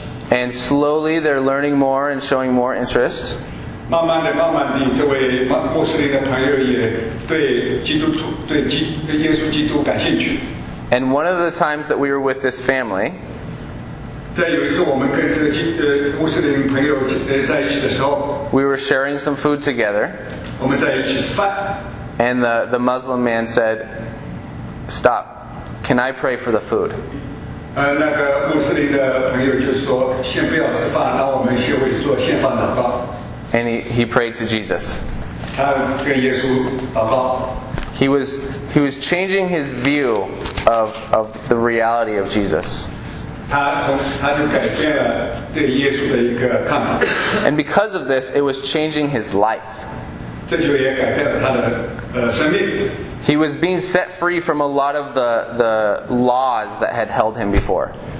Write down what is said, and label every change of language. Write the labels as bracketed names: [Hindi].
[English] And slowly, they're learning more and showing more interest. And one of the times that we were with this family, [Chinese] 在有一次我们跟这个穆斯林朋友在一起的时候 [English] we were sharing some food together [Chinese] 我们在一起吃饭 [English] and the Muslim man said stop can I pray for the food [Chinese] 那个穆斯林的朋友就说先不要吃饭那我们先会做献饭祷告 [English] and he prayed to Jesus [Chinese] 他跟耶稣祷告 [English] He was changing his view of the reality of Jesus. And because of this, it was changing his life. He was being set free from a lot of the laws that had held him before.